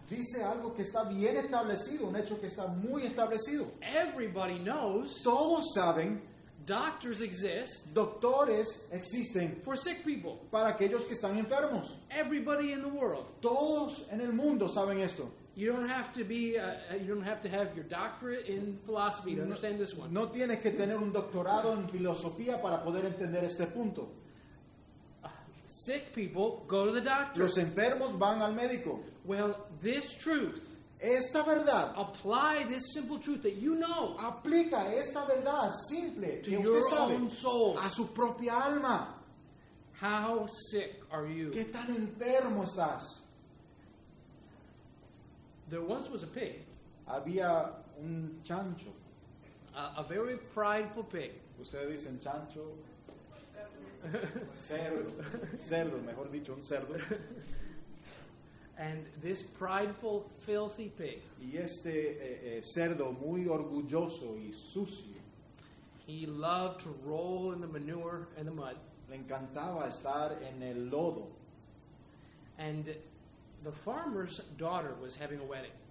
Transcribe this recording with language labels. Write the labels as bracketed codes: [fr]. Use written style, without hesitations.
[es] Dice algo que está bien establecido, un hecho que está muy establecido. [en] Everybody knows. [es] Todos saben. [en] Doctors exist. [es] Doctores existen. [en] For sick people. [es] Para aquellos que están enfermos. [en] Everybody in the world. [es] Todos en el mundo saben esto. [en] You don't have to be. You don't have to have your doctorate in philosophy to understand this one. [es] No tienes que tener un doctorado en filosofía para poder entender este punto. [en] Sick people go to the doctor. [es] Los enfermos van al médico. [en] Well, this truth. [es] Esta verdad. [en] Apply this simple truth that you know. [es] Aplica esta verdad simple [en] to your own soul. [es] A su propia alma. [en] How sick are you? [es] ¿Qué tan enfermo estás? [en] There once was a pig. [es] Había un chancho. [en] A very prideful pig. [es] Ustedes dicen chancho. Cerdo, mejor dicho, un cerdo. [en] And this prideful, filthy pig. [es] Y este cerdo muy orgulloso y sucio. [en] He loved to roll in the manure and the mud. [es] Le encantaba estar en el lodo. [en] And the farmer's daughter was having a wedding.